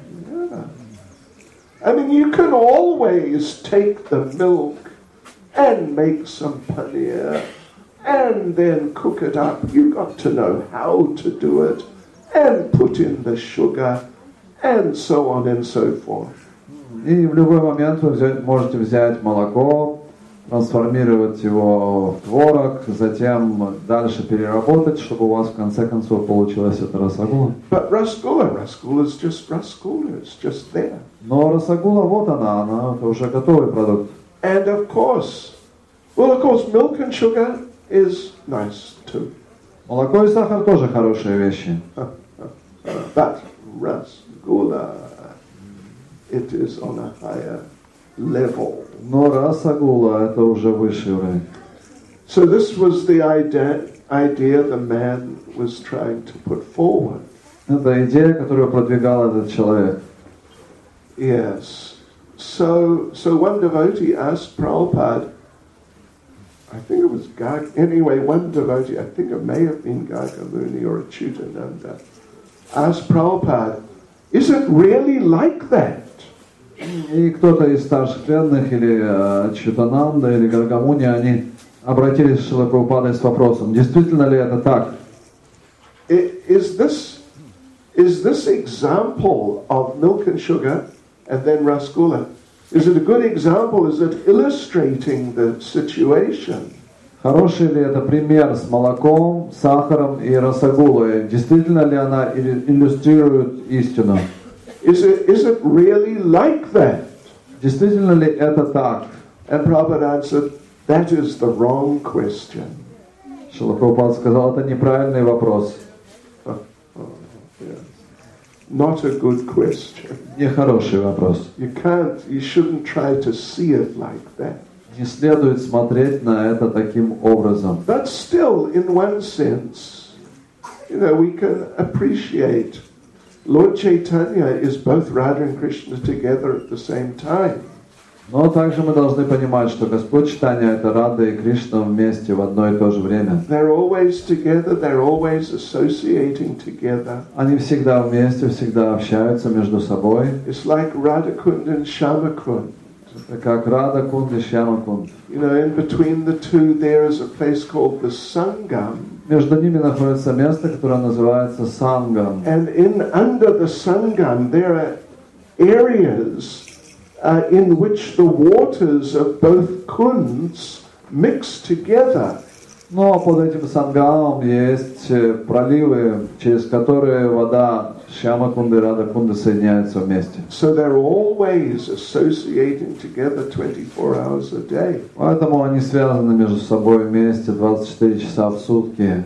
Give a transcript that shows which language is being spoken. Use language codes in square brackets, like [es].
[en] Yeah. I mean, you can always take the milk and make some paneer and then cook it up. You got to know how to do it and put in the sugar and so on and so forth. [ru] И в любой момент вы можете взять молоко, трансформировать его в творог, затем дальше переработать, чтобы у вас в конце концов получилось это расагула. [en] But Rasgulla is just Rasgulla, it's just there. [ru] Но расагула вот она это уже готовый продукт. [en] And of course, milk and sugar is nice too. [ru] Молоко и сахар тоже хорошие вещи. [en] But Rasgulla, it is on a higher level. [ru] Но расагула — это уже высший уровень. [en] So this was the idea the man was trying to put forward. [ru] Это идея, которую продвигал этот человек. [en] Yes. So one devotee asked Prabhupada, I think it may have been Gagaluni or Achyutananda, asked Prabhupada, is it really like that? [ru] И кто-то из старших преданных, или Чутананда, или Гаргамуни, они обратились к Шриле Прабхупаде с вопросом, действительно ли это так? [en] Is this example of milk and sugar and then Rasgulla, is it a good example, is it illustrating the situation? [ru] Хороший ли это пример с молоком, сахаром и Расагулой? Действительно ли она иллюстрирует истину? [en] Is it really like that? [ru] Действительно ли это так? [en] And Prabhupada answered, that is the wrong question. [ru] Шрила Прабхупада сказал, это неправильный вопрос. [en] Yes. Not a good question. [ru] Нехороший вопрос. [en] You shouldn't try to see it like that. [ru] Не следует смотреть на это таким образом. [en] But still, in one sense, we can appreciate Lord Chaitanya is both Radha and Krishna together at the same time. [ru] Но также мы должны понимать, что Господь Чайтанья это Радха и Кришна вместе в одно и то же время. [en] They're always together, they're always associating together. [ru] Они всегда вместе, всегда общаются между собой. [en] It's like Radha Kund and Shyama Kund. [ru] Это как Радха Кунд и Шьяма Кунд. [en] In between the two there is a place called the Sangam. [ru] Между ними находится место, которое называется Сангам. [en] And under the Sangam there are areas in which the waters of both Kunds mix together. [ru] Но под этим Сангамом есть проливы, через которые вода Шьяма Кунды и Радха Кунды соединяются вместе. [en] So they're always associating together 24 hours a day. [ru] Поэтому они связаны между собой вместе 24 часа в сутки.